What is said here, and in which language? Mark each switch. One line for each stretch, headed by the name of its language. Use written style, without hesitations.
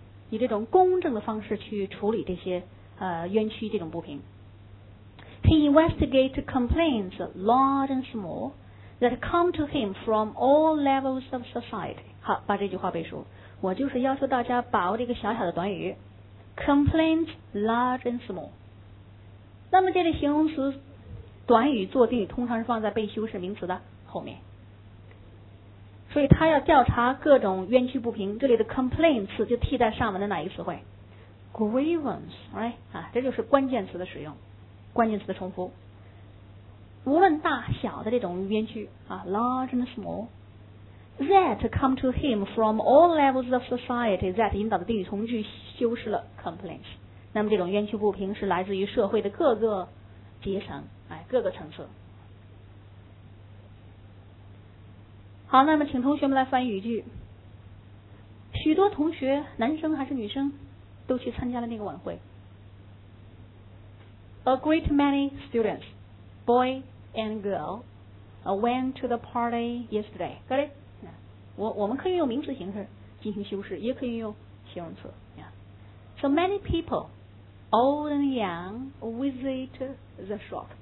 Chinese: 以这种公正的方式去处理这些冤屈这种不平。
English: He investigates complaints large and small that come to him from all levels of society.
Chinese: 好，把这句话背熟。我就是要求大家把握这个小小的短语
English: complaints large and small，
Chinese: 那么这类形容词短语做定语通常是放在被修饰名词的后面，所以他要调查各种冤屈不平，这里的 complain 词就替代上文的哪一个词汇 grievance、
English: right?
Chinese: 啊，这就是关键词的使用，关键词的重复。无论大小的这种冤屈啊
English: large and small that come to him from all levels of society that
Chinese: 引导的定语从句修饰了 complaints， 那么这种冤屈不平是来自于社会的各个阶层，哎，各个层次。好，那么请同学们来翻译语句。许多同学，男生还是女生，都去参加了那个晚会。
English: A great many students, boy and girl, went to the party yesterday. Got it?
Chinese: 我们可以用名词形式进行修饰，也可以用形容词。
English: So many people, old and young, visit the shop.